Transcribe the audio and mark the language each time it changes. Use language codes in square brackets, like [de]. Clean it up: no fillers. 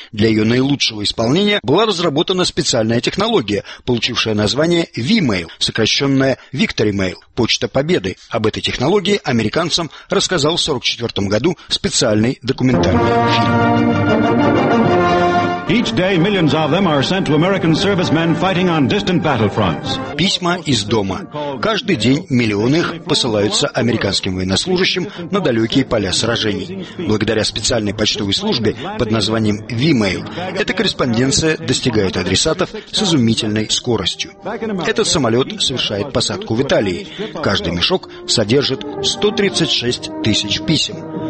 [ru] Для ее наилучшего исполнения была разработана специальная технология, получившая название V-Mail, сокращенная Victory Mail, почта Победы. Об этой технологии американцам рассказал в 1944 году специальный документальный фильм. [en] Each day millions of them are sent to American servicemen fighting on distant battlefronts. [ru] Письма из дома. Каждый день миллионы их посылаются американским военнослужащим на далекие поля сражений. Благодаря специальной почтовой службе под названием V-Mail, эта корреспонденция достигает адресатов с изумительной скоростью. Этот самолет совершает посадку в Италии. Каждый мешок содержит 136 тысяч писем.